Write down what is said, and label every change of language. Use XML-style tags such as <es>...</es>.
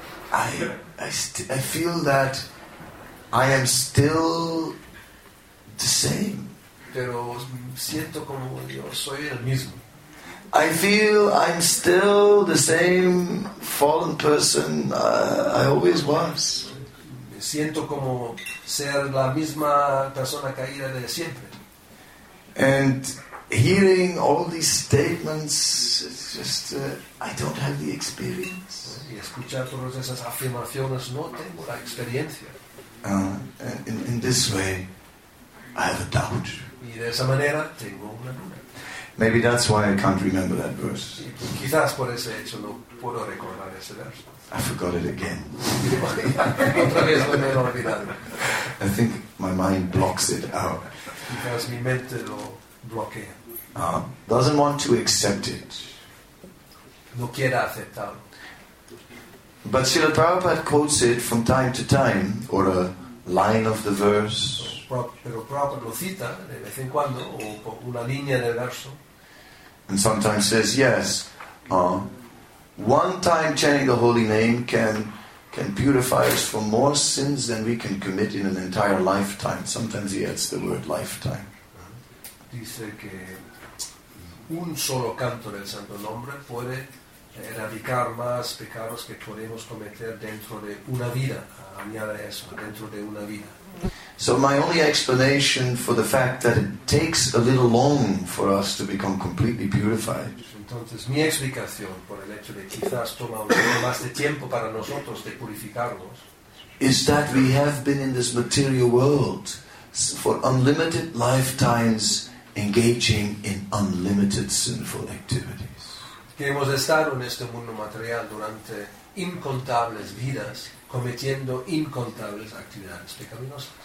<en>I feel that I am still the same.</en> <es>Pero siento como yo soy el mismo.</es> <en>I feel I'm still the same fallen person I always was.</en> <es>Me siento como ser la misma persona caída de siempre.</es> <en>And hearing all these statements, it's just I don't have the experience.</en> <es>Y escuchar todas esas afirmaciones, no tengo la experiencia.</es> <en>In this way, I have a doubt.</en> <es>Y de esa manera tengo una duda.</es> <en>Maybe that's why I can't remember that verse.</en> <es>Quizás por ese hecho no puedo recordar ese verso.</es> <en>I forgot it again.</en> <es>Otra vez me he olvidado.</es> <en>I think my mind blocks it out.</en> <es>Quizás mi mente lo bloquea.</es> <en>Doesn't want to accept it.</en> <es>No quiere aceptarlo.</es> <en>But Srila Prabhupada quotes it from time to time, or a line of the verse.</en> <es>Pero Prabhupada lo cita de vez en cuando, o una línea del verso.</es> <en>And sometimes says, yes, one time chanting the holy name can purify us from more sins than we can commit in an entire lifetime. Sometimes he adds the word lifetime.</en> <es>Dice que un solo canto del santo nombre puede erradicar más pecados que podemos cometer dentro de una vida. Añade eso, dentro de una vida.</es> <en>So my only explanation for the fact that it takes a little long for us to become completely purified.</en> <es>Entonces mi explicación por el hecho de quizás toma un poco más de tiempo para nosotros de purificarnos</es> <en>is that we have been in this material world for unlimited lifetimes engaging in unlimited sinful activities.</en> <es>Que hemos estado en este mundo material durante incontables vidas cometiendo incontables actividades pecaminosas.</es>